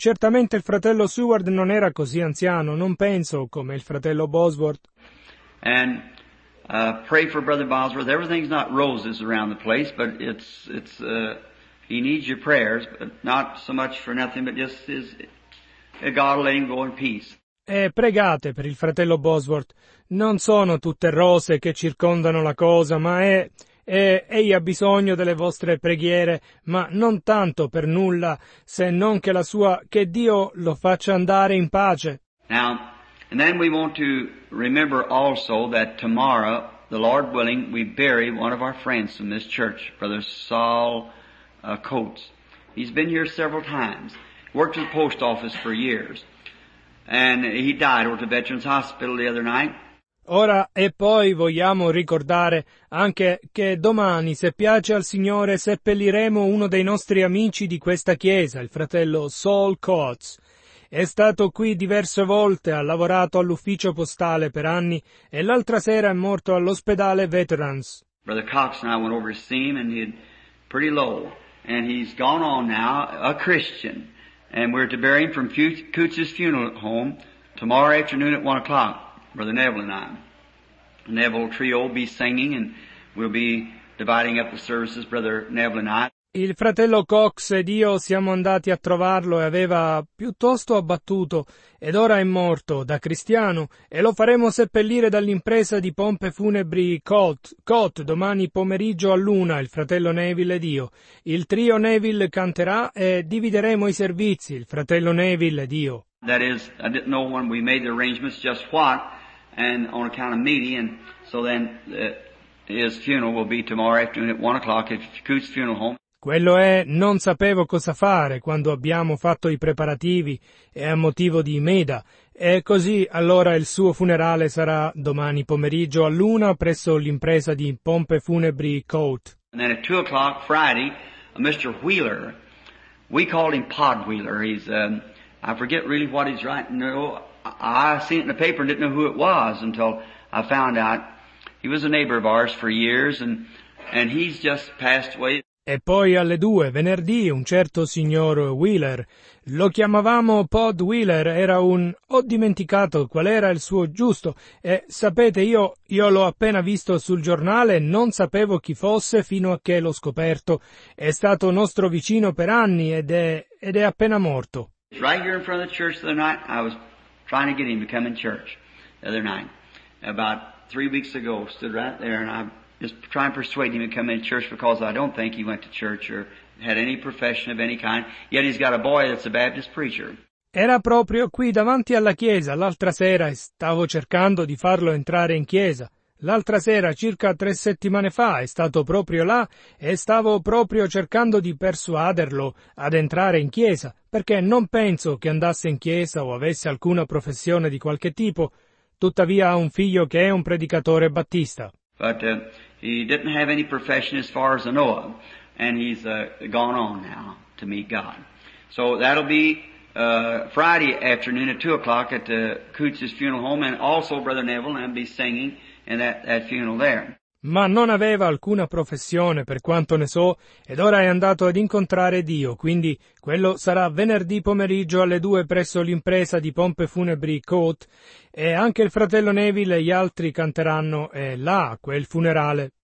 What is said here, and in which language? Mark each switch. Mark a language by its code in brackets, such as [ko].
[it] Certamente il fratello Seward non era così anziano, non penso come il fratello Bosworth. [en] And pray for Brother Bosworth. Everything's not roses around the place, but it's he needs your prayers, but not so much for nothing, but just his, God will let him go in peace. [it] E pregate per il fratello Bosworth. Non sono tutte rose che circondano la cosa, ma egli ha bisogno delle vostre preghiere, ma non tanto per nulla, se non che la sua, che Dio lo faccia andare in pace. [en] Now, and then we want to remember also that tomorrow, the Lord willing, we bury one of our friends from this church, Brother Saul Coates. He's been here several times, worked at the post office for years, and he died at the Veterans Hospital the other night. [it] Ora e poi vogliamo ricordare anche che domani, se piace al Signore, seppelliremo uno dei nostri amici di questa chiesa, il fratello Saul Coates. È stato qui diverse volte, ha lavorato all'ufficio postale per anni e l'altra sera è morto all'ospedale Veterans. [en] Brother Cox and I went over to see him and he had pretty low. And he's gone on now, a Christian, and we're to bury him from Cooch's funeral home tomorrow afternoon at 1 o'clock, Brother Neville and I. Neville Trio will be singing and we'll be dividing up the services, Brother Neville and I. [it] Il fratello Cox ed io siamo andati a trovarlo e aveva piuttosto abbattuto ed ora è morto da cristiano e lo faremo seppellire dall'impresa di pompe funebri Colt domani pomeriggio all'1, il fratello Neville ed io. Il trio Neville canterà e divideremo i servizi, il fratello Neville ed io. [en] That is, I didn't know when we made the arrangements just what, and on account of meeting, and so then his funeral will be tomorrow afternoon at 1 o'clock at Coots funeral home. [it] Quello è, non sapevo cosa fare quando abbiamo fatto i preparativi e a motivo di Imeda. E così allora il suo funerale sarà domani pomeriggio all'1 presso l'impresa di pompe funebri Coat. [en] And then at 2 o'clock Friday, Mr. Wheeler, we call him Pod Wheeler. He's, I forget really what he's writing. No, I seen it in the paper and didn't know who it was until I found out. He was a neighbor of ours for years and he's just passed away. [it] E poi alle 2, venerdì, un certo signor Wheeler, lo chiamavamo Pod Wheeler, era un... ho dimenticato qual era il suo giusto, e sapete, io l'ho appena visto sul giornale, non sapevo chi fosse fino a che l'ho scoperto, è stato nostro vicino per anni ed è appena morto. [en] Right here in front of the church the other night, I was trying to get him to come in church the other night, about 3 weeks ago, stood right there and I... just try and persuade him to come into church because I don't think he went to church or had any profession of any kind, yet he's got a boy that's a Baptist preacher. [it] Era proprio qui davanti alla chiesa l'altra sera e stavo cercando di farlo entrare in chiesa. L'altra sera, circa 3 settimane fa, è stato proprio là e stavo proprio cercando di persuaderlo ad entrare in chiesa, perché non penso che andasse in chiesa o avesse alcuna professione di qualche tipo. Tuttavia ha un figlio che è un predicatore battista. [en] But he didn't have any profession as far as I know of, and he's gone on now to meet God. So that'll be Friday afternoon at 2 o'clock at Coots's funeral home, and also Brother Neville and I'll be singing in that funeral there. [it] Ma non aveva alcuna professione, per quanto ne so, ed ora è andato ad incontrare Dio, quindi quello sarà venerdì pomeriggio alle 2 presso l'impresa di pompe funebri Coat, e anche il fratello Neville e gli altri canteranno là, a quel funerale.